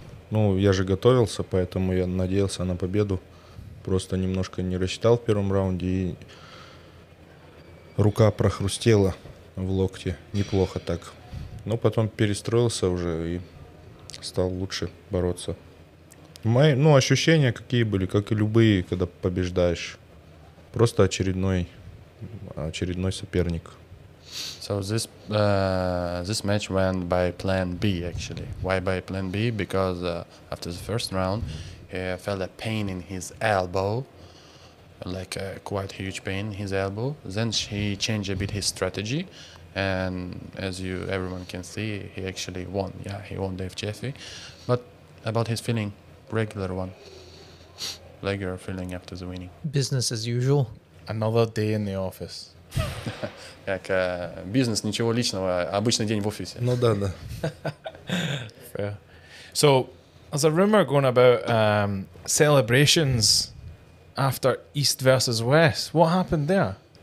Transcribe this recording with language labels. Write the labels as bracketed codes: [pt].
[ru] Ну, я же готовился, поэтому я надеялся на победу. Просто немножко не рассчитал в первом раунде, и рука прохрустела в локте. Неплохо так. Но потом перестроился уже и стал лучше бороться. Мои, ну, ощущения какие были, как и любые, когда побеждаешь. Просто очередной соперник. [en] So this match went by plan B, actually. Why by plan B? Because after the first round, he felt a pain in his elbow, like a quite huge pain in his elbow. Then he changed a bit his strategy. And as you everyone can see, he actually won. Yeah, he won Dave Chafee. But about his feeling, regular feeling after the winning. Business as usual. Another day in the office. [ru] Как бизнес, ничего личного, обычный день в офисе. Ну да, да. [en] Fair. So, there's a rumor going about celebrations after East versus West. What happened there?